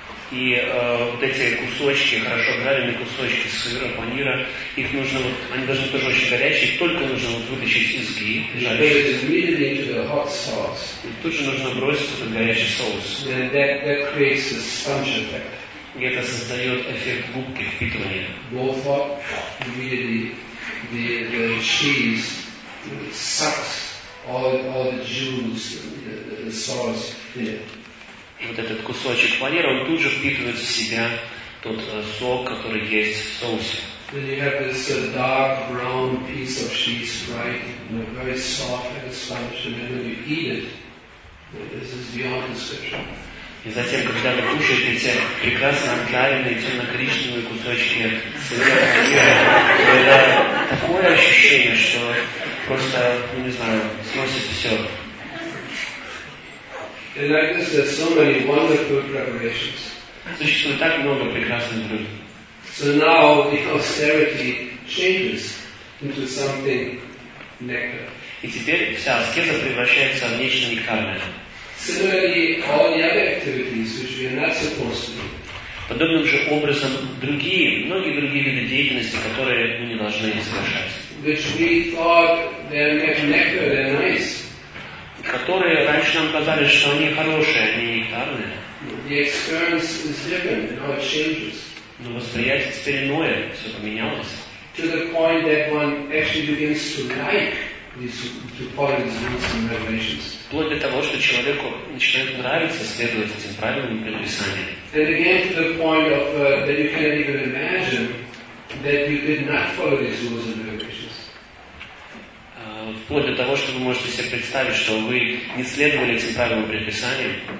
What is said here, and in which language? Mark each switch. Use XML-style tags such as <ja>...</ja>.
<ru>И вот эти кусочки, хорошо жареные кусочки сыра, панира, их нужно вот, они должны тоже очень горячие, только нужно вот вытащить из ги, и тут же нужно бросить этот горячий соус.</ru> <en>That creates a sponge effect.</en> <ru>И это создает эффект губки впитывания.</ru> <en>Both hot, the cheese sucks all the juice, the sauce here.</en> <ru>Вот этот кусочек панира, он тут же впитывает в себя тот сок, который есть в соусе.</ru> <en>Then you have this dark brown piece of cheese, right? Very soft and sponge, and then you eat it. This is beyond description.</en> <ru>И затем, когда вы кушаете эти прекрасно обжаренные темно-коричневые кусочки сыра, панира, такое ощущение, что просто, ну не знаю, сносит все.</ru> <en>And like this, there's so many wonderful preparations.</en> <ru>Существует так много прекрасных блюд.</ru> <en>So now the austerity changes into something nectar.</en> <ru>И теперь вся аскеза превращается в нечто нектарное.</ru> <en>Similarly, all the other activities which we are not supposed to do.</en> <ru>Подобным же образом другие, многие другие виды деятельности, которые мы не должны совершать.</ru> <en>Which we thought they're nectar, they're nice.</en> <ru>Которые раньше нам казали, что они хорошие, они нектарные.</ru> <en>The experience is different, now it changes.</en> <ru>Но восприятие теперь иное, все поменялось.</ru> <en>To the point that one actually begins to like these, to follow these rules and regulations.</en> <ru>Вплоть до того, что человеку начинает нравиться следовать этим правилам и предписаниям.</ru> <en>And again to the point of that you can't even imagine that you did not follow these rules and regulations.</en> <ru>Вплоть до того, что вы можете себе представить, что вы не следовали этим правилам и предписаниям.</ru>